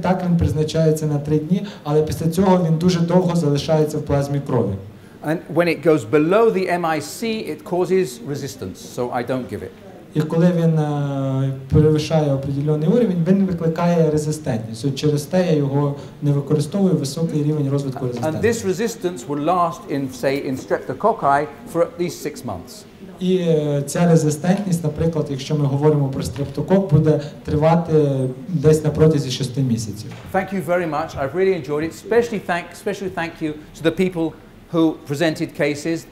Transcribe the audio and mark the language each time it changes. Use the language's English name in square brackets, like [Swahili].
[Ukrainian] Так, він призначається на 3 дні, але після цього він дуже довго залишається в плазмі крові. [English] And when it goes below the MIC, it causes resistance, so I don't give it. [Ukrainian] І коли він перевищає определений рівень, він викликає резистентність. Через те я його не використовую, високий рівень розвитку резистентності. [English] And this resistance will last in streptococci for at least 6 months. [Ukrainian] І ця резистентність, наприклад, якщо ми говоримо про стрептококк, буде тривати десь на протязі 6 місяців. [English] Thank you very much. I've really enjoyed it. Especially thank you to the people who presented cases.